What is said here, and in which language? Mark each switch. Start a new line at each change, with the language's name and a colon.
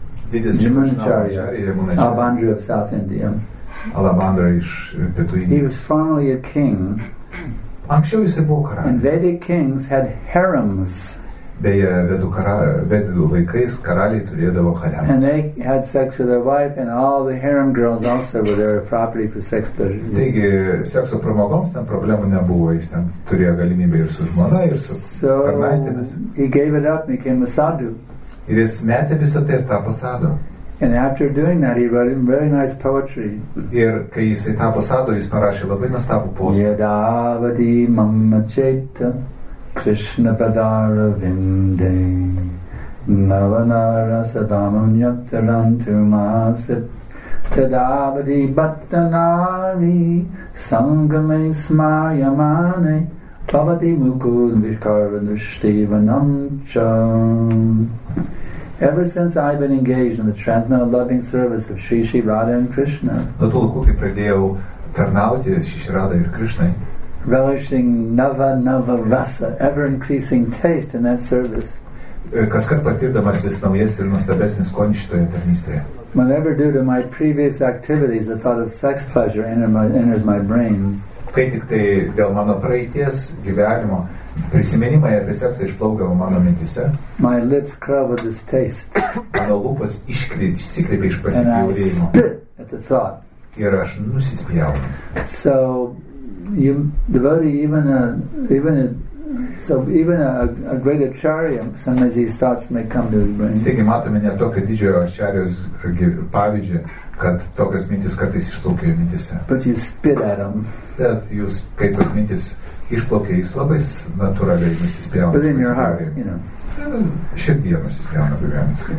English: Jimunacharya, Albandra of South India.
Lithuanian: Albandra iš Pietų Indijos.
English: He was formerly a king.
Lithuanian: Anksčiau jisai buvo karalius.
English: And Vedic kings had harems.
Lithuanian: Beje, Vedų laikais karaliai turėdavo harems.
English: And they had sex with their wife, and all the harem girls also were their property for sex pleasure.
Lithuanian: Taigi, sekso pramogoms ten problemų nebuvo. Jis ten turėjo galimybę ir su žmona, ir su tarnaitėmis.
English: So he gave it up and became a sadhu.
Lithuanian: Ir jis metė visą tai ir tapo sadu.
English: And after doing that, he wrote very nice poetry.
Lithuanian: Ir kai jis tapo sadu, jis parašė labai nuostabų posmą.
Sanskrit: Yadavadi mamma cheta Krishna padara vinde Navanara sadamunyatarantumasit Tadavadi Bhattanari Sangame Smaryamane Bhavati Mukud Vishkaranushtivanamcha.
English: Ever since I've been engaged in the transcendental loving service of Sri Sri Radha and Krishna, relishing nava nava rasa, ever increasing taste in that service, whenever due to my previous activities the thought of sex pleasure enters my brain,
Lithuanian: kai tik tai dėl mano praeities gyvenimo prisiminimai apie seksą išplaukdavo mano mintise,
English: my lips curl with this taste,
Lithuanian: mano lūpas išsikreipė iš pasibjaurėjimo,
English: and I spit at the thought,
Lithuanian: ir aš nusispjaunu.
English: So you devotee, even a great acharya, sometimes these thoughts may come to his brain.
Lithuanian: Taigi matome ne tokio didžiojo acharyos pavyzdžio, kad tokios mintys kartais išplaukia jo mintise.
English: But you spit at him.
Lithuanian: Bet jūs, kai tos mintys išplaukia, jis labai natūraliai nusispjauna.
English: But in your heart, you know.
Lithuanian: Širdyje nusispjauna gyvenimą.